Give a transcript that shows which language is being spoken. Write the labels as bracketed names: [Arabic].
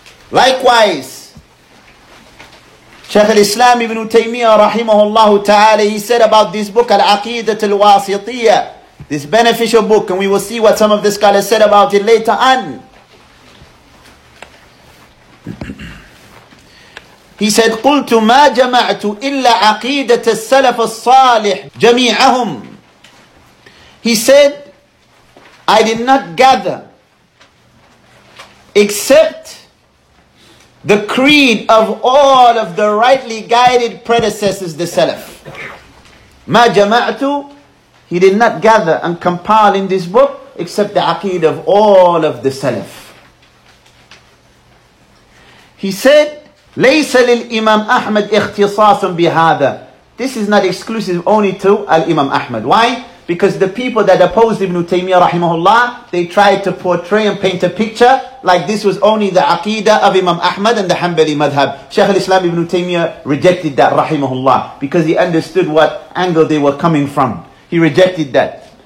[English] Likewise, Shaykh al-Islam ibn Taymiyyah rahimahullahu ta'ala, he said about this book, Al-Aqidat al-Wasitiyah, this beneficial book, and we will see what some of the scholars said about it later on. He said, [Arabic] قُلْتُ مَا جَمَعْتُ إِلَّا عَقِيدَةَ السَّلَفَ الصَّالِحِ جَمِيعَهُمْ. [English] He said, I did not gather except the creed of all of the rightly guided predecessors, the Salaf. [Arabic] مَا جَمَعْتُ. [English] He did not gather and compile in this book except the aqeed of all of the Salaf. He said, [Arabic] لَيْسَ لِلْإِمَامْ أَحْمَدْ اِخْتِصَاصٌ بِهَذَا. [English] This is not exclusive only to Al-Imam Ahmad. Why? Because the people that opposed Ibn Taymiyyah rahimahullah, they tried to portray and paint a picture like this was only the aqidah of Imam Ahmad and the Hanbali madhab. Shaykh al-Islam Ibn Taymiyyah rejected that rahimahullah because he understood what angle they were coming from. He rejected that.